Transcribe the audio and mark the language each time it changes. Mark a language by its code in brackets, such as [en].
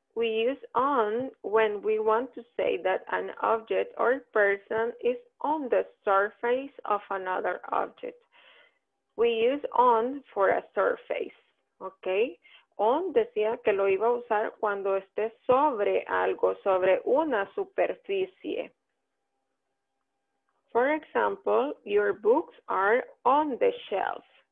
[en] We use on when we want to say that an object or person is on the surface of another object. We use on for a surface. [es] Okay, on decía que lo iba a usar cuando esté sobre algo, sobre una superficie. [en] For example, your books are on the shelf.